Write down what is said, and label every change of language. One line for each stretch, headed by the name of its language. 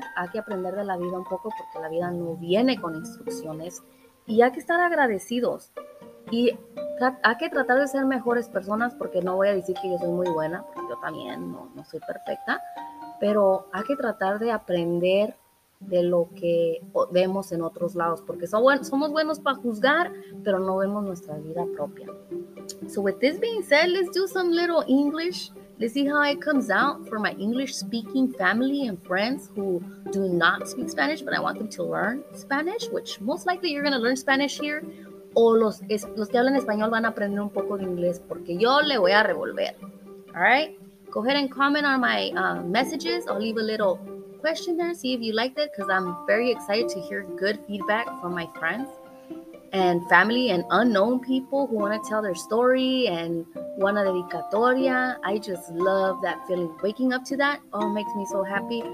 Spanish: Hay que aprender de la vida un poco porque la vida no viene con instrucciones y hay que estar agradecidos y hay que tratar de ser mejores personas, porque no voy a decir que yo soy muy buena, porque yo también no soy perfecta, pero hay que tratar de aprender de lo que vemos en otros lados, porque somos buenos para juzgar, pero no vemos nuestra vida propia.
English: So with this being said, let's do some little English. Let's see how it comes out for my English-speaking family and friends who do not speak Spanish, but I want them to learn Spanish, which most likely you're going to learn Spanish here.
Spanish: O los que hablan español van a aprender un poco de inglés, porque yo le voy a revolver.
English: All right? Go ahead and comment on my messages. I'll leave a little question there, see if you liked it, because I'm very excited to hear good feedback from my friends and family and unknown people who want to tell their story and
Spanish: una dedicatoria.
English: I just love that feeling. Waking up to that, oh, makes me so happy.